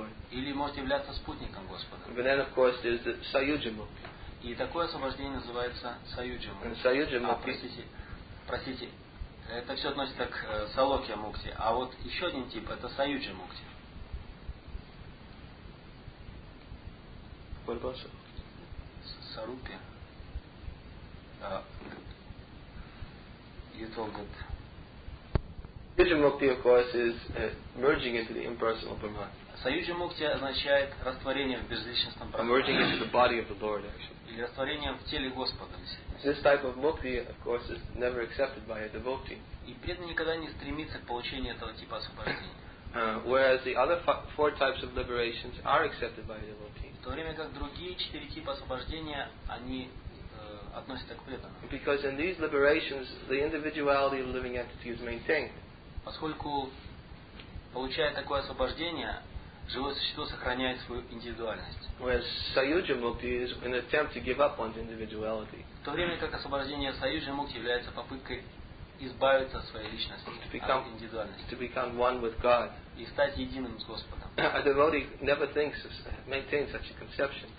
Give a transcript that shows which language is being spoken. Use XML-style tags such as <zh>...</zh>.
<ru>Или может являться спутником Господа.</ru> <en>But then, of course, there's the саюджа мукти.</en> <ru>И такое освобождение называется саюджа мукти. Простите. Это все относится к салокья мукти. А вот еще один тип это саюджа мукти.</ru> <en>What about</en> <ru>сарупья?</ru> <en>You told it. Саюджа мукти, of course, is merging into the impersonal Brahman.</en> <ru>Саюджа мукти означает растворение в безличностном Брахмане.</ru> <en>Merging into the body of the Lord, actually.</en> <ru>Или растворение в теле Господа.</ru> <en>This type of mukti, of course, is never accepted by a devotee.</en> <ru>И преданный никогда не стремится к получению этого типа освобождения.</ru> <en>Whereas the other four types of liberations are accepted by a devotee.</en> <ru>В то время как другие четыре типа освобождения, они относятся к преданным.</ru> <en>Because in these liberations, the individuality of the living entity is maintained.</en> <ru>Поскольку, получая такое освобождение, живое существо сохраняет свою индивидуальность.</ru> <en>Whereas Sayuja Mukti is an attempt to give up one's individuality.</en> <ru>В то время как освобождение Sayuja Mukti является попыткой избавиться от своей личности, от индивидуальности.</ru> <en>To become one with God.</en> <ru>И стать единым с Господом.</ru> <en>A devotee never thinks, maintains such a conception.</en>